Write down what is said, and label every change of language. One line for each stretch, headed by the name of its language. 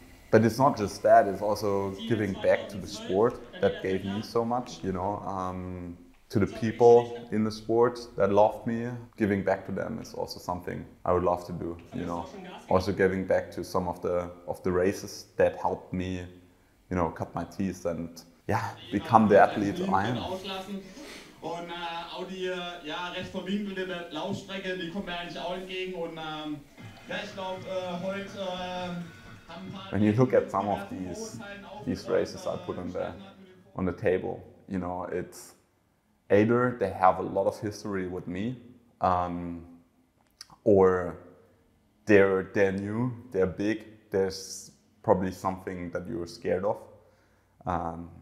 English: But it's not just that, it's also giving back to the sport that gave me so much, you know, to the people in the sport that loved me. Giving back to them is also something I would love to do, you know. Also giving back to some of the races that helped me, you know, cut my teeth and, yeah, become the athlete I am.
German: Und auch die ja recht verwinkelte Laufstrecke, die kommt mir eigentlich auch entgegen. Und ja, ich glaube, heute haben paar.
English: When you look at some of these races I put on the table, you know, it's either they have a lot of history with me, or they're new, they're big, there's probably something that you're scared of.